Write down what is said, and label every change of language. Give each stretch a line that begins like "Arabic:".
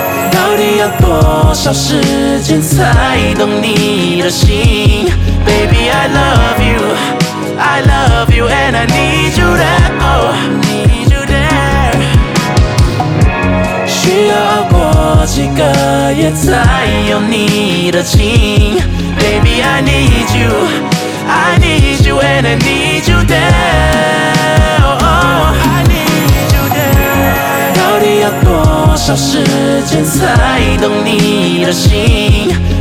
Chinese: 到底要多少时间才懂你的心？
English: Baby, I love you, I love you, and I need you there, oh, need you there.
Chinese: 需要过几个月才有你的情。
English: Baby, I need you, I need you, and I need you there, oh, oh, I need you there.
Chinese: 到底要多少时间才懂你的心？